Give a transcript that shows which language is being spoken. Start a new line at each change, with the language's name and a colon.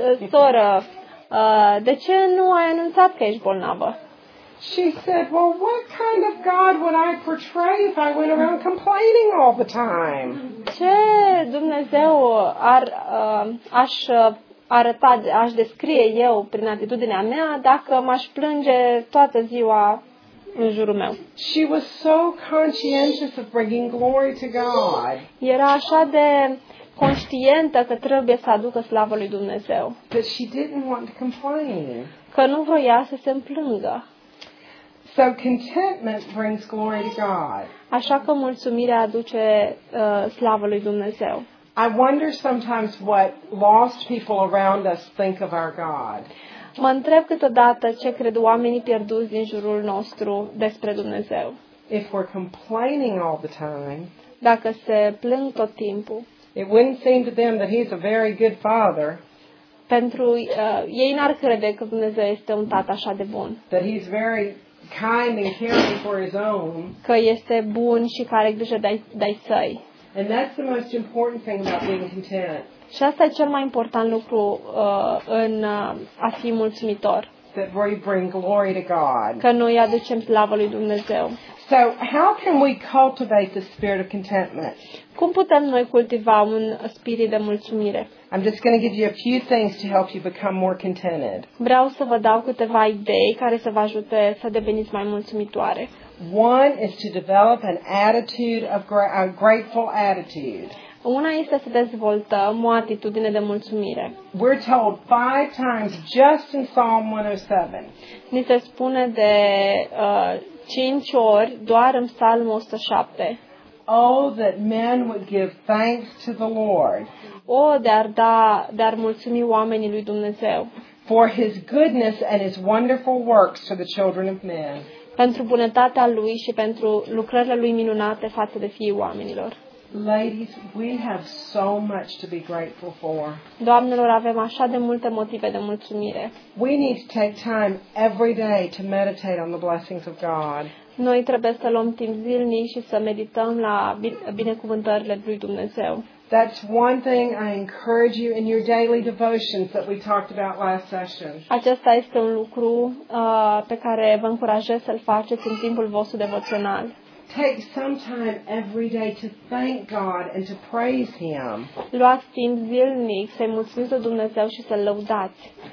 Romanian: Soră, de ce nu ai anunțat că ești bolnavă?
English: She said, "Well, what kind of God would I portray if I went around complaining all the time?"
Romanian: Ce Dumnezeu ar aș arăta, aș descrie eu prin atitudinea mea dacă m-aș plânge toată ziua în jurul meu?
English: She was so conscientious of bringing glory to God.
Romanian: Era așa de conștientă că trebuie să aducă slavă lui Dumnezeu.
English: But she didn't want to complain.
Romanian: Că nu voia să se plângă.
English: So contentment brings glory to God.
Romanian: Așa că mulțumirea aduce slavă lui Dumnezeu.
English: I wonder sometimes what lost people around us think of our God.
Romanian: Mă întreb câteodată ce cred oamenii pierduți din jurul nostru despre Dumnezeu.
English: If we're complaining all the time,
Romanian: dacă se plâng tot timpul,
English: it wouldn't seem to them that he's a very good father.
Romanian: Pentru ei n-ar crede că Dumnezeu este un tată așa de bun.
English: That he's very kind and caring for his own.
Romanian: Că este bun și care are grijă de-ai săi.
English: And that's the most important thing about being content.
Romanian: Și asta e cel mai important lucru în a fi mulțumitor.
English: That we bring glory to God.
Romanian: Că noi aducem slavă lui Dumnezeu.
English: So, how can we cultivate the spirit of contentment?
Romanian: Cum putem noi cultiva un spirit de mulțumire?
English: I'm just going to give you a few things to help you become more contented.
Romanian: Vreau să vă dau câteva idei care să vă ajute să deveniți mai mulțumitoare.
English: One is to develop an attitude of a grateful attitude.
Romanian: Una este să dezvoltăm o atitudine de mulțumire.
English: We're told 5 times just in Psalm 107.
Romanian: Ni se spune de 5 ori doar în Psalmul 107.
English: Oh, that men would give thanks to the Lord.
Romanian: Oh, de-ar mulțumi oamenii lui Dumnezeu.
English: For his goodness and his wonderful works to the children of men.
Romanian: Pentru bunătatea lui și pentru lucrările lui minunate față de fiii oamenilor.
English: Ladies, we have so much to be grateful for.
Romanian: Doamnelor, avem așa de multe motive de mulțumire.
English: We need to take time every day to meditate on the blessings of God.
Romanian: Noi trebuie să luăm timp zilnic și să medităm la binecuvântările lui Dumnezeu.
English: That's one thing I encourage you in your daily devotions that we talked about last session.
Romanian: Acesta este un lucru pe care vă încurajez să-l faceți în timpul vostru devoțional.
English: Take some time every day to thank God and to praise him.
Romanian: Luați timp zilnic să-i mulțumiți Dumnezeu și să-l lăudați.